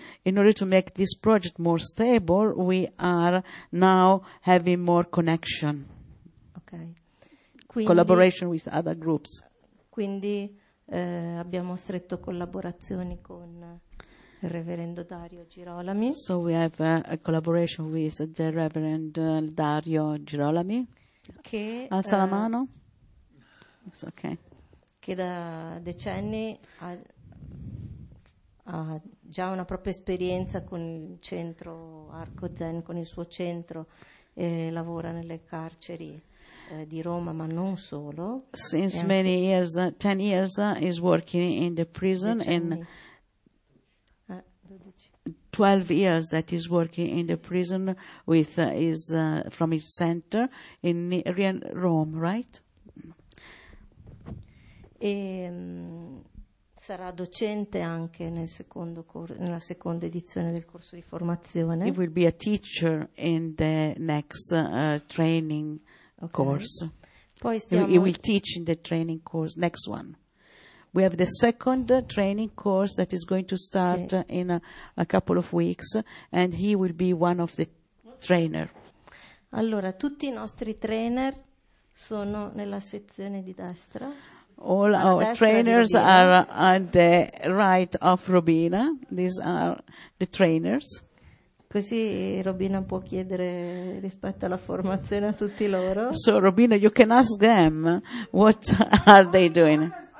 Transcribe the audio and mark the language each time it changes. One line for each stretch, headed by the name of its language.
English: In order to make this project more stable, we are now having more connection. Okay. Quindi, collaboration with other groups.
Italian: Quindi abbiamo stretto collaborazioni con il Reverendo Dario Girolami.
English: So we have a collaboration with the Reverend Dario Girolami.
Italian: Che alza la mano. Okay. Che da decenni ha, ha già una propria esperienza con il centro Arco Zen, con il suo centro, e lavora nelle carceri di Roma, ma non solo.
English: Since many years, 10 years, is working in the prison,
Italian: decenni.
English: And 12 years that he's working in the prison with his from his center in Rome, right?
Italian: E sarà docente anche nel secondo nella seconda edizione del corso di formazione.
English: He will be a teacher in the next training course.
Italian: Poi
English: he will teach in the training course next one. We have the second training course that is going to start in a couple of weeks, and he will be one of the trainer.
Italian: Allora, tutti I nostri trainer sono nella sezione di destra.
English: All our trainers are on the right of Robina. These are the trainers.
Italian: Così Robina può chiedere rispetto alla formazione a tutti loro.
English: So Robina, you can ask them what are they doing.